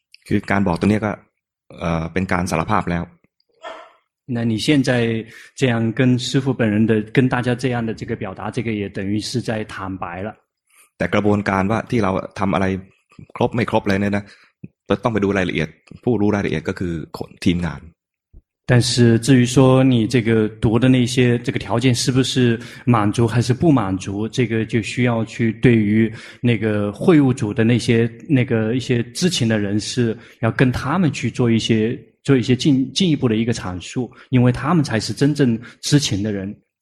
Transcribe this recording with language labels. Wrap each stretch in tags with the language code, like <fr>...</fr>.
<th>คือการบอกตรงนี้ก็เป็นการสารภาพแล้ว</th> <zh>那你现在这样跟师父本人的跟大家这样的这个表达这个也等于是在坦白了</zh> <th>แต่กระบวนการว่าที่เราทำอะไรครบไม่ครบเลยเนี่ยนะต้องไปดูรายละเอียดผู้รู้รายละเอียดก็คือทีมงาน</th> <zh>但是至于说你这个读的那些这个条件是不是满足还是不满足这个就需要去对于那个会务组的那些那个一些知情的人士要跟他们去做一些进一步的一个阐述因为他们才是真正知情的人</zh>